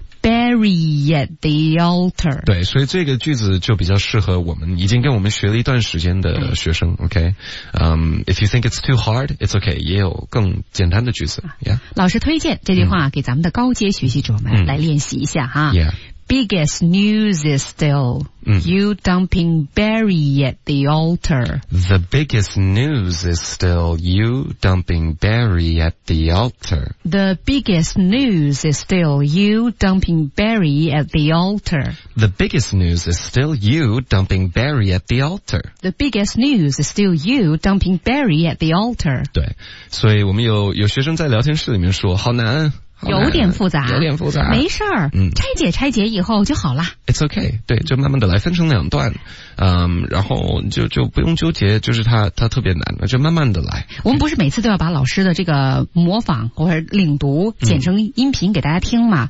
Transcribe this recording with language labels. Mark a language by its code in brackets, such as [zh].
[en] Barry at the altar. [zh] 对所以这个句子就比较适合我们已经跟我们学了一段时间的学生 , [en] OK?、 If you think it's too hard, it's OK, [zh] 也有更简单的句子。 [en] Yeah? [zh] 老师推荐这句话给咱们的高阶学习者们来练习一下哈。 Yeah. [en] Biggest news is still, you dumping Barry at the altar. The biggest news is still, you dumping Barry at the altar. The biggest news is still, you dumping Barry at the altar. The biggest news is still, you dumping Barry at the altar. The biggest news is still, you dumping Barry at the altar. [zh] 对，所以我们有学生在聊天室里面说，好难。有点复杂，有点复杂，没事儿，拆解拆解以后就好了。 [en] It's okay， [zh] 对，就慢慢的来，分成两段，然后就不用纠结，就是它特别难，就慢慢的来。我们不是每次都要把老师的这个模仿或者领读剪成音频给大家听吗？